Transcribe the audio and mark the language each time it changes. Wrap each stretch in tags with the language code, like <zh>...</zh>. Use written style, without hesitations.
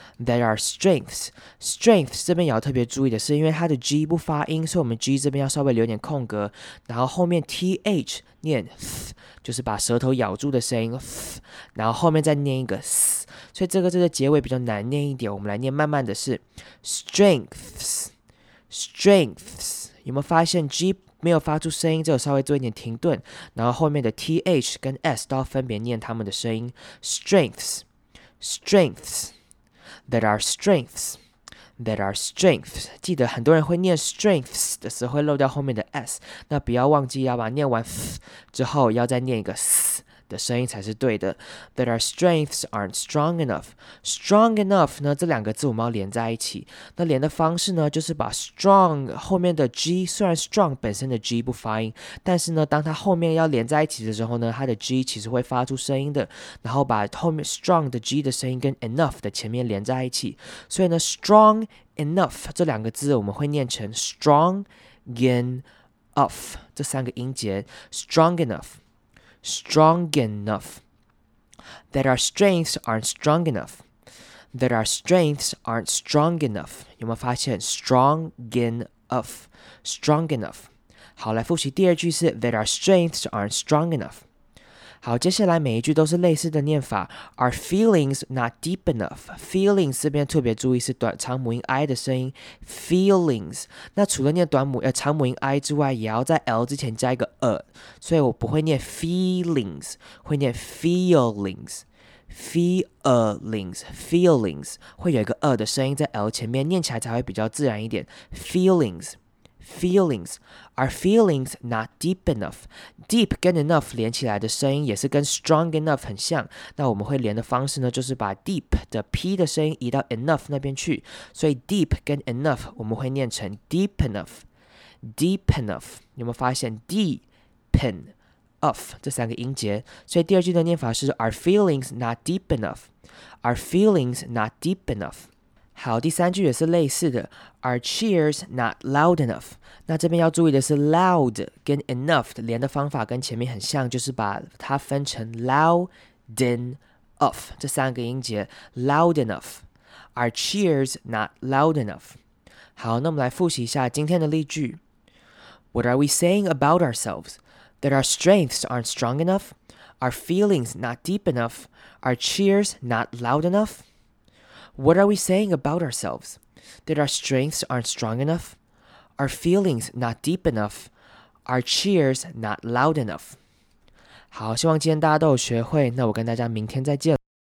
<en>That are strengths， strengths</en> <zh>这边也要特别注意的是，因为它的 g 不发音，所以我们 g 这边要稍微留点空格，然后后面 th 念 th， 就是把舌头咬住的声音 th， 然后后面再念一个 s， 所以这个结尾比较难念一点，我们来念慢慢的是 strengths， strengths。有没有发现 G 没有发出声音，只有稍微做一点停顿，然后后面的 TH 跟 S 都要分别念他们的声音。</zh> <en>Strengths, strengths, that are strengths, that are strengths。</en> <zh>记得很多人会念 strengths 的时候会漏掉后面的 S， 那不要忘记要把念完 th 之后要再念一个 s 的声音才是对的。</zh> <en>That our strengths aren't strong enough。</en> <zh>Strong enough 呢，这两个字我们要连在一起，那连的方式呢，就是把 strong 后面的 g， 虽然 strong 本身的 g 不发音，但是呢当它后面要连在一起的时候呢，它的 g 其实会发出声音的，然后把后面 strong 的 g 的声音跟 enough 的前面连在一起，所以呢 strong enough 这两个字我们会念成 strong enough， 这三个音节 strong enoughStrong enough.</zh> <en>That our strengths aren't strong enough. That our strengths aren't strong enough.</en> <zh>有没有发现 strong enough?</zh> <en>Strong enough.</en> <zh>好，来复习第二句是</zh> <en>That our strengths aren't strong enough.</en> <zh>好，接下来每一句都是类似的念法。</zh> <en>Our feelings not deep enough.</en> <zh>Feelings 这边特别注意是短长母音 I 的声音。</zh> <en>Feelings.</en> <zh>那除了念长母音 I 之外，也要在 L 之前加一个所以我不会念 feelings， 会念 feelings， feelings， feelings， 会有一个的声音在 L 前面，念起来才会比较自然一点。</zh> <en>feelings， feelings， our feelings not deep enough。</en> <zh>deep 跟 enough 连起来的声音也是跟 strong enough 很像，那我们会连的方式呢，就是把 deep 的 p 的声音移到 enough 那边去，所以 deep 跟 enough 我们会念成 deep enough， deep enough。你有没有发现 deepen of 这三个音节，所以第二句的念法是</zh> <en>our feelings not deep enough,</en> <zh>our feelings not deep enough。好，第三句也是类似的</zh> <en>，Are cheers not loud enough？</en> <zh>那这边要注意的是 ，loud 跟 enough 的连的方法跟前面很像，就是把它分成 loud enough 这三个音节 ，loud enough。</zh> <en>Are cheers not loud enough？</en> <zh>好，那我们来复习一下今天的例句。</zh> <en>What are we saying about ourselves? That our strengths aren't strong enough? Our feelings not deep enough? Our cheers not loud enough? What are we saying about ourselves? That our strengths aren't strong enough? Our feelings not deep enough? Our cheers not loud enough?</en> <zh>好，希望今天大家都有学会，那我跟大家明天再见。</zh>